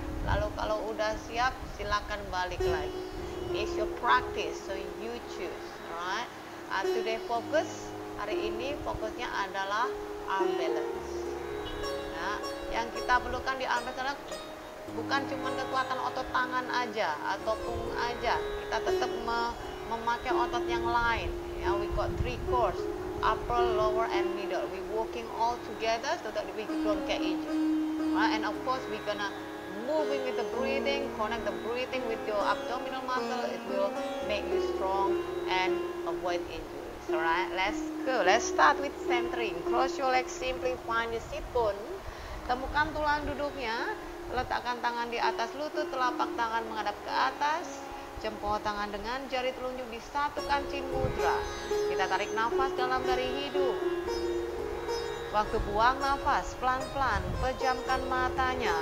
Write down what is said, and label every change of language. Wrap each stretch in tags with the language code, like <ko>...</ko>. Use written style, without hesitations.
<id>Lalu kalau udah siap, silakan balik lagi.</id> <en>It's your practice, so you choose, alright? Today focus,</en> <id>hari ini fokusnya adalah arm balance. Nah, yang kita perlukan di arm balance adalah bukan cuma kekuatan otot tangan aja atau punggung aja, kita tetap memakai otot yang lain.</id> <en>Ya, we got three cores, upper, lower, and middle. We working all together so that we don't get injured. Right? And of course, we gonna moving with the breathing, connect the breathing with your abdominal muscle. It will make you strong and avoid injuries. Alright, let's go. Let's start with centering. Cross your legs, simply find your sit bone.</en> <id>Temukan tulang duduknya. Letakkan tangan di atas lutut, telapak tangan menghadap ke atas, jempol tangan dengan jari telunjuk disatukan chin mudra. Kita tarik nafas dalam dari hidung. Waktu buang nafas, pelan-pelan, pejamkan matanya.</id>